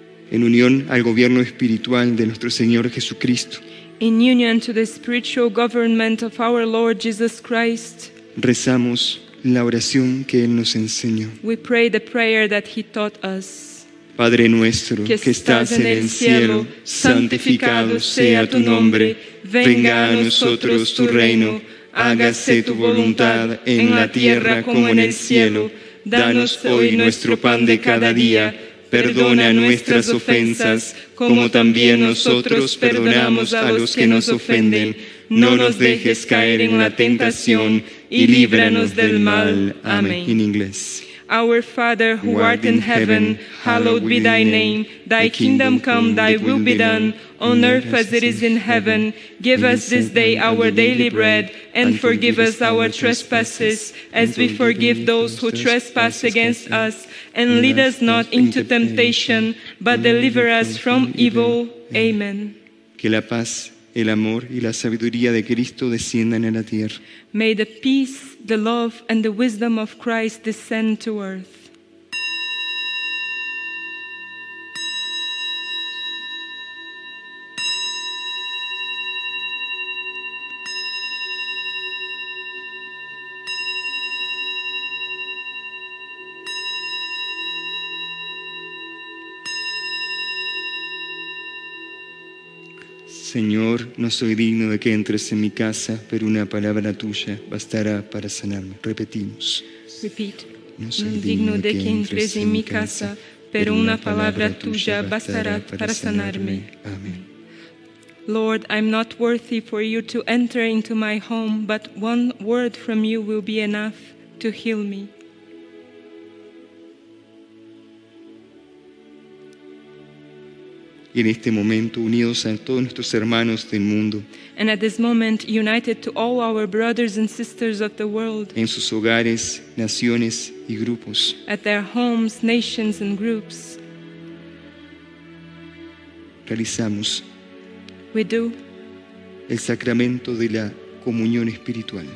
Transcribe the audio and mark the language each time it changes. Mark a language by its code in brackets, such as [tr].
[es] En unión al gobierno espiritual de nuestro Señor Jesucristo. [en] In union to the spiritual government of our Lord Jesus Christ. [es] Rezamos la oración que Él nos enseñó. [en] We pray the prayer that He taught us. [es] Padre nuestro que estás en el cielo, santificado sea tu nombre. Venga a nosotros tu reino. Hágase tu voluntad en la tierra como en el cielo. Danos hoy nuestro pan de cada día. Perdona nuestras ofensas, como también nosotros perdonamos a los que nos ofenden. No nos dejes caer en la tentación y líbranos del mal. Amén. [en] In English. Our Father, who art in heaven, hallowed be thy name. Thy kingdom come, thy will be done, on earth as it is in heaven. Give us this day our daily bread, and forgive us our trespasses, as we forgive those who trespass against us. And lead us not into temptation, but deliver us from evil. Amen. [es] Que la paz, el amor y la sabiduría de Cristo desciendan en la tierra. [en] May the peace, the love and the wisdom of Christ descend to earth. [es] Señor, no soy digno de que entres en mi casa, pero una palabra tuya bastará para sanarme. Repetimos. [en] Repeat. [es] No soy digno de que entres en mi casa, pero una palabra tuya bastará para sanarme. Amén. [en] Lord, I'm not worthy for you to enter into my home, but one word from you will be enough to heal me. [es] Y en este momento, unidos a todos nuestros hermanos del mundo, [en] and at this moment, united to all our brothers and sisters of the world, [es] en sus hogares, naciones y grupos, [en] at their homes, nations and groups, [es] realizamos [en] we do [es] el sacramento de la comunión espiritual.